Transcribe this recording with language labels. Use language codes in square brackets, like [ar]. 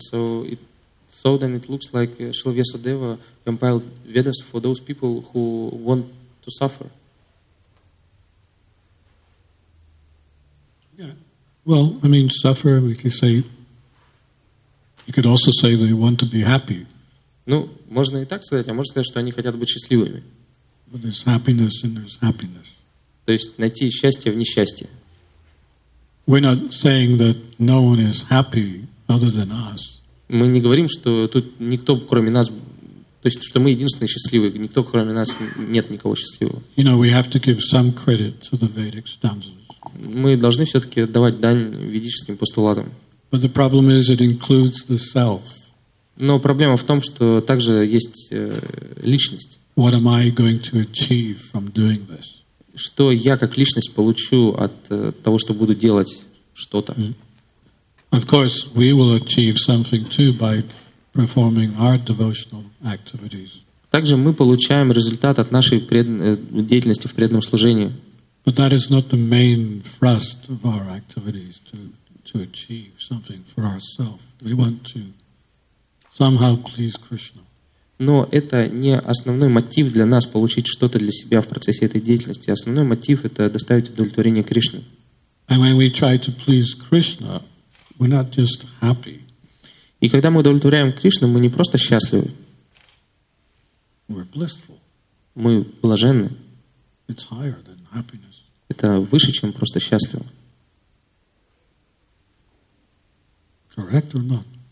[en] So then it looks like Srila Vyasadeva compiled Vedas for those people who want to suffer. Yeah. Well, I mean, suffer, we could say, you could also say they want to be happy. [ru] Ну, можно и так сказать, а можно сказать, что они хотят быть счастливыми. [en] But there's happiness and there's happiness. [ru] То есть найти счастье в несчастье. [en] We're not saying that no one is happy other than us. [ru] Мы не говорим, что тут никто, кроме нас, то есть, что мы единственные счастливые, никто, кроме нас, нет никого счастливого. [en] You know, we have to give some credit to the Vedic stanzas. [ru] Мы должны все-таки давать дань ведическим постулатам. [en] But the problem is it includes the self. [ru] Но проблема в том, что также есть личность. [en] What am I going to achieve from doing this? [ru] Что я как личность получу от того, что буду делать что-то. Mm-hmm. [en] Of course, we will achieve something too by performing our devotional activities. [ru] Также мы получаем результат от нашей деятельности в преданном служении. [en] But that is not the main thrust of our activities to achieve something for ourselves. We want to somehow please Krishna. [ru] Но это не основной мотив для нас получить что-то для себя в процессе этой деятельности. Основной мотив — это доставить удовлетворение Кришне. [en] And when we try to please Krishna, we're not just happy. [ru] И когда мы удовлетворяем Кришну, мы не просто счастливы. [en] We're blissful. [ru] Мы блаженны. [en] It's higher than happiness. [ru] Это выше, чем просто счастливы. [en] Correct or not?